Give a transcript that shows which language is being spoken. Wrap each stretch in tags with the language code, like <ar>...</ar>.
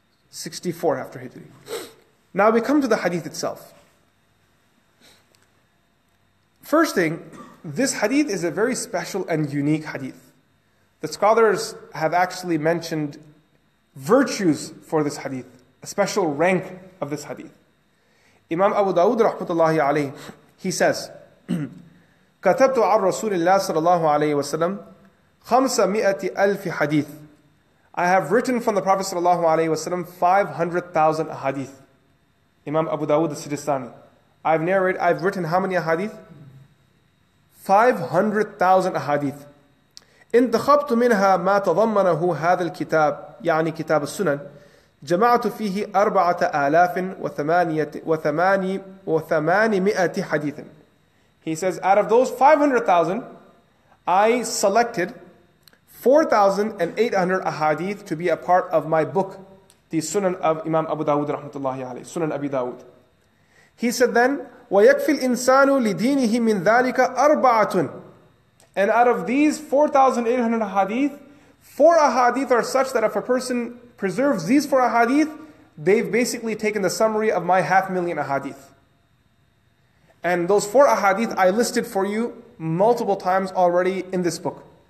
<en>64 after Hijri. Now we come to the hadith itself. First thing, this hadith is a very special and unique hadith. The scholars have actually mentioned virtues for this hadith, a special rank of this hadith. Imam Abu Dawud rahmatullahi alayhi, he says,</en> <ar>كَتَبْتُ عَلْ رَسُولِ اللَّهِ صَلَى اللَّهُ عَلَيْهِ وَسَلَمْ خَمْسَ مِئَةِ أَلْفِ حَدِيثِ.</ar> <en>I have written from the Prophet sallallahu alayhi wasallam 500,000 ahadith. Imam Abu Dawud al-Sijistani. I've written how many ahadith? 500,000 ahadith.</en> <ar>انتخبت منها ما تضمنه هذا الكتاب يعني كتاب السنن جمعت فيه 4,800 حديث.</ar> <en>He says, out of those 500,000, I selected 4,800 ahadith to be a part of my book, the Sunan of Imam Abu Dawud rahmatullahi alayhi, Sunan Abi Dawud. He said then,</en> <ar>وَيَكْفِي الْإِنسَانُ لِدِينِهِ مِنْ ذَلِكَ أَرْبَعَةٌ.</ar> <en>And out of these 4,800 ahadith, 4 ahadith are such that if a person preserves these 4 ahadith, they've basically taken the summary of my 500,000 ahadith. And those 4 ahadith I listed for you multiple times already in this book.</en>